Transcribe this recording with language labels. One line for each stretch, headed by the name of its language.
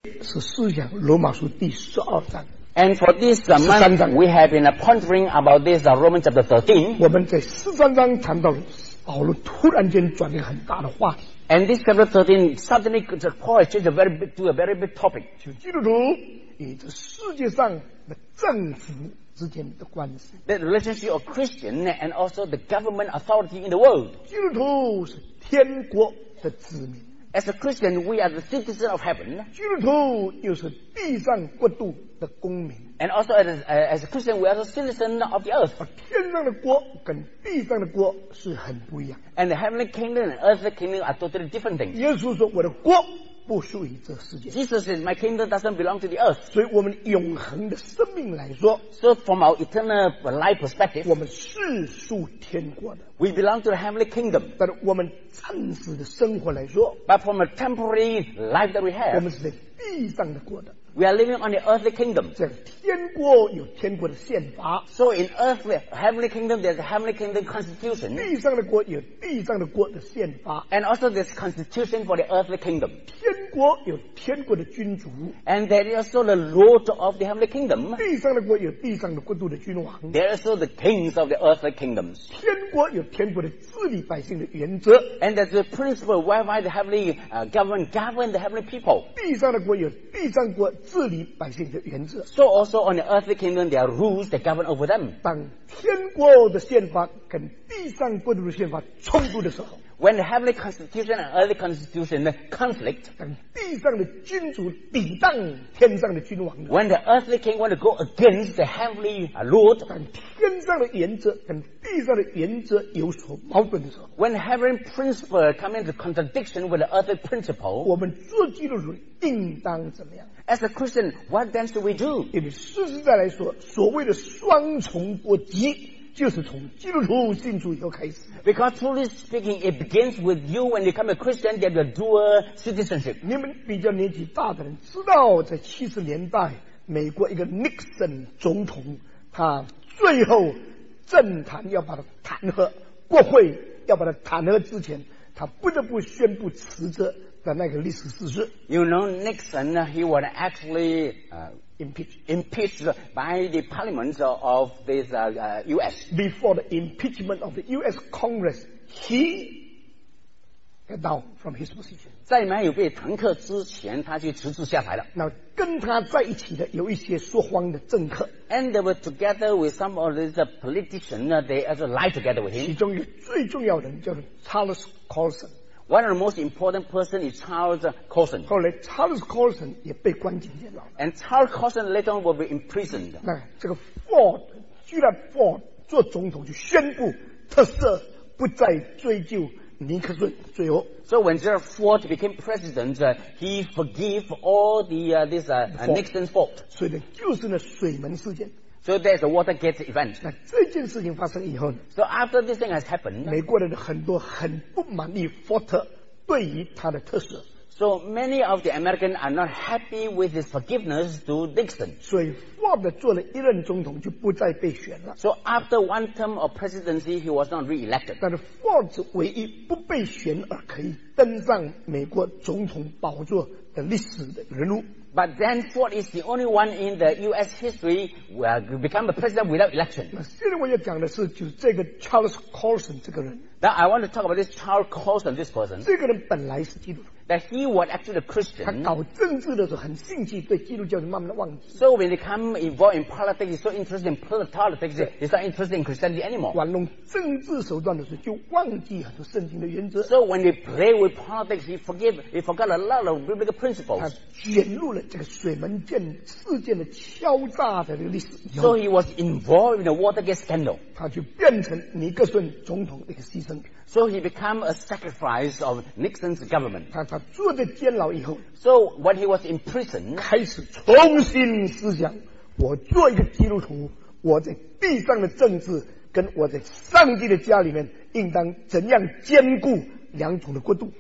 Chinese: 是思想罗马书第十二章。
English: And for this month, we have been pondering about this Romans chapter 13.
Chinese: 我们在十三章谈到保罗突然间转变很大的话题。
English: And this chapter 13 suddenly the Paul changed a very big, to a very big topic.
Chinese: 就基督徒与这世界上的政府之间的关系。
English: The relationship of Christian and also the government authority in the world.
Chinese: 基督徒是天国的子民。
English: As a Christian, we are the citizens of heaven.
Chinese: 基督徒又是地上国度的公民。
English: And also as a Christian, we are the citizens of the earth.
Chinese: 天上的国跟地上的国是很不一样。
English: And the heavenly kingdom and earthly kingdom are totally different things.
Chinese: 耶稣说我的国不属于这世界。
English: Jesus said, my kingdom doesn't belong to the earth.
Chinese: 所以我们永恒的生命来说
English: So from our eternal life perspective,
Chinese: 我们是属天国的。
English: We belong to the heavenly kingdom.
Chinese: 但我们暂时的生活来说
English: But from a temporary life that we have,
Chinese: 我们是在地上的国的。
English: We are living on the earthly kingdom.
Chinese: 在天国有天国的宪法。
English: So in earthly heavenly kingdom, there's a heavenly kingdom constitution.
Chinese: 地上的国有地上的国的宪法。
English: And also there's constitution for the earthly kingdom.
Chinese: 天国有天国的君主。
English: And there is also the lord of the heavenly kingdom.
Chinese: 地上的国有地上的国度的君王。
English: There are also the kings of the earthly kingdoms.
Chinese: 天国有天国的治理百姓的原则。
English: And there's the principle whereby the heavenly government govern the heavenly people.
Chinese: 地上的国有地上国治理百姓的原则。
English: So also on the earthly kingdom, there are rules that govern over them.
Chinese: 当天国的宪法跟地上国度的宪法冲突的时候
English: ，When the heavenly constitution and earthly constitution conflict,
Chinese: 当地上的君主抵挡天上的君王的
English: ，When the earthly king want to go against the heavenly lord,
Chinese: 当天上的原则跟地上的原则有所矛盾的时候
English: ，When heavenly principle come into contradiction with the earthly principle,
Chinese: 我们做基督徒应当怎么样？
English: As a Christian, what then should we do?
Chinese: 因为实实在来说，所谓的双重国籍，就是从基督徒信主以后开始。
English: Because truly speaking, it begins with you when you become a Christian, get a dual citizenship.
Chinese: 你们比较年纪大的人知道，在七十年代，美国一个 Nixon 总统，他最后政坛要把他弹劾，国会要把他弹劾之前，他不得不宣布辞职。
English: You know, Nixon, he was actually impeached by the parliament of this U.S. Before the impeachment of the U.S. Congress, he got down from his position.
Chinese: 在没有被弹劾之前，他就辞职下台了。那跟他在一起的有一些说谎的政客。
English: And they were together with some of these politicians. They also lied together with him.
Chinese: 其中一个最重要的人叫做 Charles Colson。
English: One of the most important person is Charles Colson.
Chinese: 后来 Charles Colson 也被关进监牢。
English: And Charles Colson later on will be imprisoned.
Chinese: 那这个 Ford, 居然 Ford 做总统就宣布特赦，不再追究尼克逊罪恶。
English: So when Gerald Ford became president, he forgave all the Nixon's fault.
Chinese: 所以呢，就是那水门事件。
English: So there's a Watergate event.
Chinese: 那这件事情发生以后呢
English: ？So after this thing has happened,
Chinese: 美国人很多很不满意 Ford 对于他的特赦。
English: So many of the Americans are not happy with his forgiveness to Nixon.
Chinese: 所以 Ford 做了一任总统就不再被选了。
English: So after one term of presidency, he was not re-elected.
Chinese: 但是 Ford 是唯一不被选而可以登上美国总统宝座的历史的人物。
English: But then Ford is the only one in the U.S. history who become a president without election.
Chinese: 现在我要讲的是就是这个 Charles Colson 这个人。
English: Now I want to talk about this Charles Colson, this person.
Chinese: 这个人本来是基督徒。
English: That he was actually a Christian.
Chinese: 他搞政治的时候很兴趣，对基督教就慢慢的忘记。
English: So when he come involved in politics, he's so interested in politics, he's not interested in Christianity anymore.
Chinese: 玩弄政治手段的时候就忘记很多圣经的原则。
English: So when he play with politics, he forgot a lot of biblical principles.
Chinese: 他卷入了这个水门舰事件的敲诈的这个历史。
English: So he was involved in the Watergate scandal.
Chinese: 他就变成尼克逊总统的一个牺牲品。
English: So he became a sacrifice of Nixon's government.
Chinese: 他坐在监牢以后
English: ，So when he was in prison，
Chinese: 开始重新思想，我做一个基督徒，我在地上的政治跟我在上帝的家里面，应当怎样兼顾两种的国度